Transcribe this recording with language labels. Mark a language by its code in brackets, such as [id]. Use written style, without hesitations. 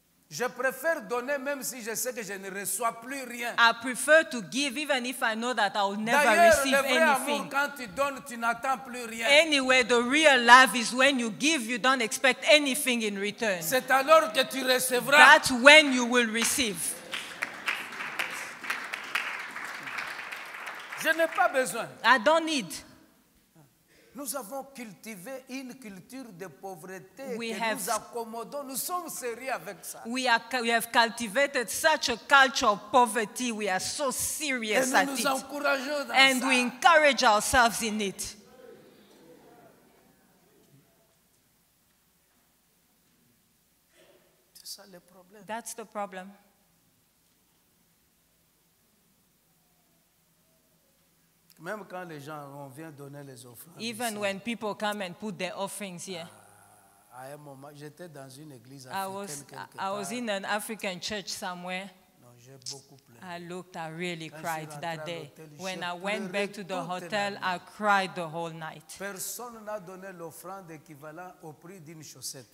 [fr] Je préfère donner même si je sais que je ne reçois plus rien. [en] I prefer to give even if I know that I will never [fr] d'ailleurs, [en] receive anything. [fr] Amour, quand tu donnes, tu n'attends plus rien. [en] Anyway, the real love is when you give, you don't expect anything in return. [fr] C'est alors que tu recevras. [en] That's when you will receive. [fr] Je n'ai pas besoin. [en] I don't need. [fr] Nous avons cultivé une culture de pauvreté que nous accommodons. Nous sommes sérieux avec ça. [en] We have cultivated such a culture of poverty. We are so serious at it. [fr] Et nous encourageons dans ça. [en] And we encourage ourselves in it. [fr] C'est ça le problème. [en] That's the problem. [fr] Même quand les gens viennent donner les offrandes. [en] Even when people come and put their offerings here. [fr] À un moment, j'étais dans une église africaine. [en] I was in an African church somewhere. [fr] Non, j'ai beaucoup pleuré. [en] I looked, I really cried that day. When I went back to the hotel, I cried the whole night. [fr] Personne n'a donné l'offrande équivalent au prix d'une chaussette.